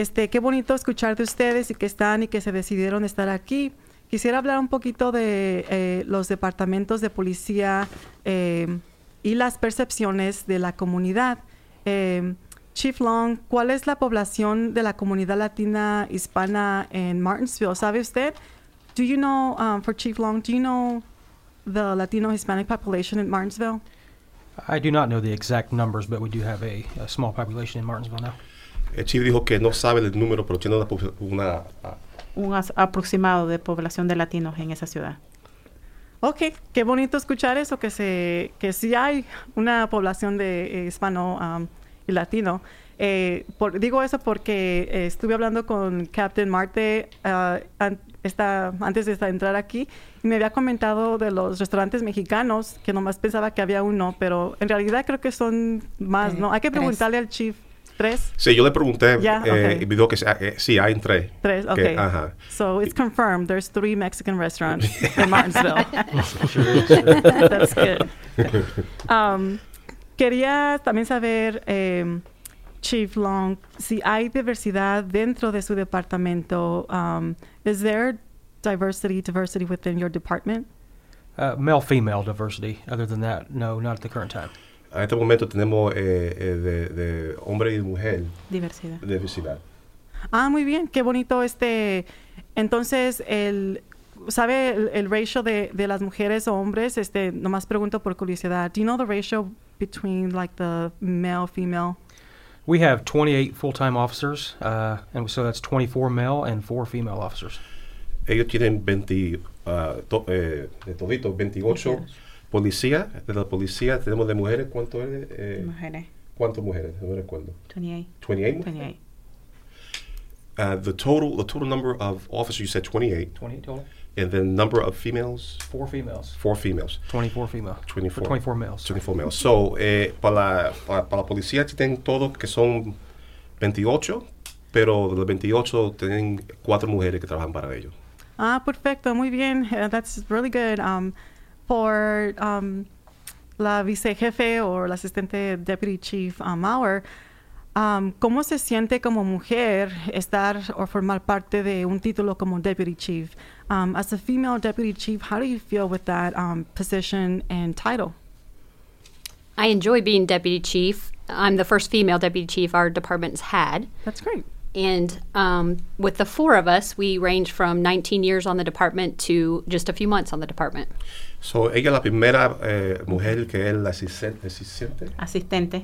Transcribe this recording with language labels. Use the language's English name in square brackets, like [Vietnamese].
[Spanish] Qué bonito escuchar de ustedes y que están y que se decidieron estar aquí. Quisiera hablar un poquito de los departamentos de policía y las percepciones de la comunidad. Chief Long, ¿cuál es la población de la comunidad latina hispana en Martinsville? ¿Sabe usted? [English] Do you know, for Chief Long, do you know the Latino Hispanic population in Martinsville? I do not know the exact numbers, but we do have a small population in Martinsville now. [Spanish] El chief dijo que no sabe el número, pero tiene una un aproximado de población de latinos en esa ciudad. Okay, qué bonito escuchar eso, que sí hay una población de hispano y latino. Digo eso porque estuve hablando con Captain Marte antes de entrar aquí, y me había comentado de los restaurantes mexicanos, que nomás pensaba que había uno, pero en realidad creo que son más, ¿no? Hay que preguntarle al chief. ¿Tres? Sí, yo le pregunté. Y me dijo que sí, hay tres. Tres, okay. [English] So it's confirmed there's three Mexican restaurants in Martinsville. Sure, sure. That's good. [Spanish] Quería también saber, Chief Long, si hay diversidad dentro de su departamento. [English] Is there diversity within your department? Male, female diversity. Other than that, no, not at the current time. [Spanish] A este momento tenemos de hombre y mujer. Diversidad. Ah, muy bien. Qué bonito. Entonces, ¿sabe el ratio de las mujeres o hombres? Nomás pregunto por curiosidad. [English] Do you know the ratio between, like, the male, female? We have 28 full-time officers, and so that's 24 male and 4 female officers. [Spanish] Ellos tienen 28 policía, de la policía, tenemos de mujeres, ¿cuánto es? Mujeres. ¿Cuántas mujeres? No recuerdo. 28. [English] The total number of officers, you said 28. 28 total. And then number of females? Four females. 24 females. 24. 24 males. 24 males. [Spanish] So, para la policía tienen todos que son 28, pero de los 28 tienen 4 mujeres que trabajan para ellos. Ah, perfecto. Muy bien. [English] That's really good. [Spanish] For la vicejefe o la asistente deputy chief Maurer, ¿cómo se siente como mujer estar o formar parte de un título como deputy chief? [English] As a female deputy chief, how do you feel with that position and title? I enjoy being deputy chief. I'm the first female deputy chief our department's had. That's great. And with the four of us, we range from 19 years on the department to just a few months on the department. [Spanish] So, ella es la primera mujer que es la asistente.